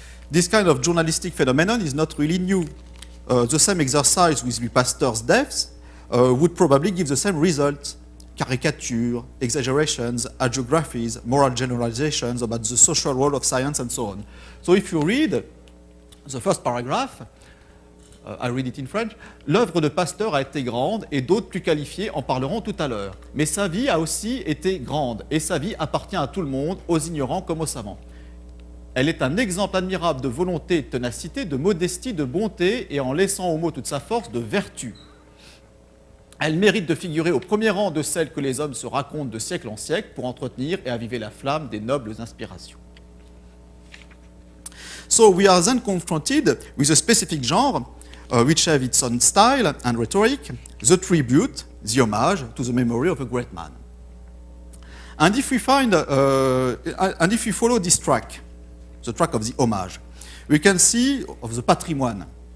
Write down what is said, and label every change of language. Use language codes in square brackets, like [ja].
[en] This kind of journalistic phenomenon is not really new. The same exercise with Louis Pasteur's death would probably give the same results: caricature, exaggerations, hagiographies, moral generalizations about the social role of science, and so on. So if you read the first paragraph, I read it in French. [fr] L'œuvre de Pasteur a été grande et d'autres plus qualifiés en parleront tout à l'heure. Mais sa vie a aussi été grande et sa vie appartient à tout le monde, aux ignorants comme aux savants. Elle est un exemple admirable de volonté, de ténacité, de modestie, de bonté et en laissant au mot toute sa force de vertu. Elle mérite de figurer au premier rang de celles que les hommes se racontent de siècle en siècle pour entretenir et aviver la flamme des nobles inspirations. [en] So we are then confronted with a specific genre, which have its own style and rhetoric, the tribute, the homage to the memory of a great man. And if we find, and if we follow this track, the track of the homage, we can see of the patrimoine.